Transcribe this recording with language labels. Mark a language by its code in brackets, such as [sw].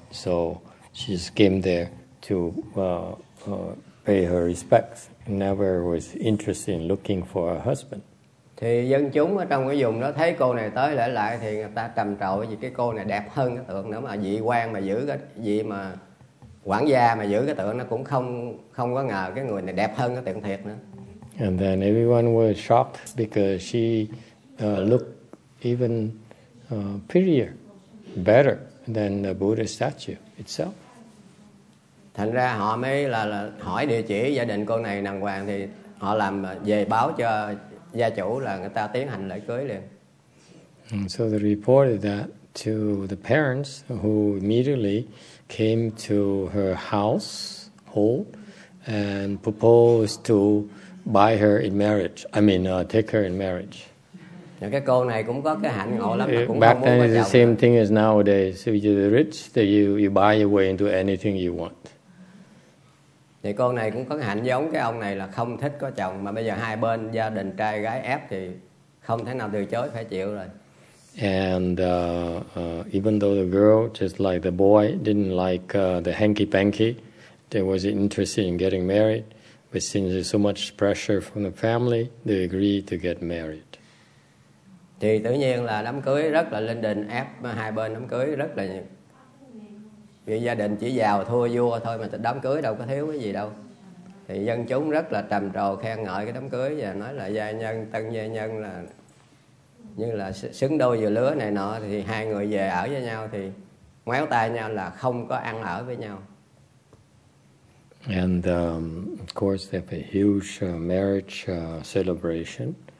[en] So she just came there to pay her respects. Never was interested in looking for a husband. [vi] Thì dân chúng ở trong cái vùng đó thấy cô này tới lễ lại thì người ta trầm trồ, vì cái cô này đẹp hơn cái tượng nữa, mà vị quan mà giữ cái gì mà quản gia mà giữ cái tượng nó cũng không có ngờ cái người này đẹp hơn cái tượng thiệt nữa. [en] And then everyone was shocked because she looked even prettier, better than the Buddha statue itself. [vi] Thành ra họ mới là hỏi địa chỉ gia đình cô này đàng hoàng, thì họ làm về báo cho gia chủ là người ta tiến hành lễ cưới liền. [en] And so they reported that to the parents, who immediately came to her household and proposed to buy her in marriage. I mean, take her in marriage. [vi] Cái cô này cũng có cái hạnh ngộ lắm, cũng [en] back then it's the same thing as nowadays. If you're rich, then you buy your way into anything you want. [vi] Thì cô này cũng có cái hạnh giống cái ông này là không thích có chồng, mà bây giờ hai bên gia đình trai gái ép thì không thể nào từ chối, phải chịu rồi. [en] And even though the girl, just like the boy, didn't like the hanky-panky, they was interested in getting married, but since there's so much pressure from the family, they agreed to get married. [vi] Thì tự nhiên là đám cưới rất là linh đình, ép hai bên đám cưới rất là nhiều. Vì gia đình chỉ giàu thua vua thôi, mà đám cưới đâu có thiếu cái gì đâu. Thì dân chúng rất là trầm trồ khen ngợi cái đám cưới và nói là gia nhân, tân gia nhân là như là xứng đôi vừa lứa này nọ, thì hai người về ở với nhau thì ngoéo tay nhau là không có ăn ở với nhau. [en] And of course they have a huge marriage celebration.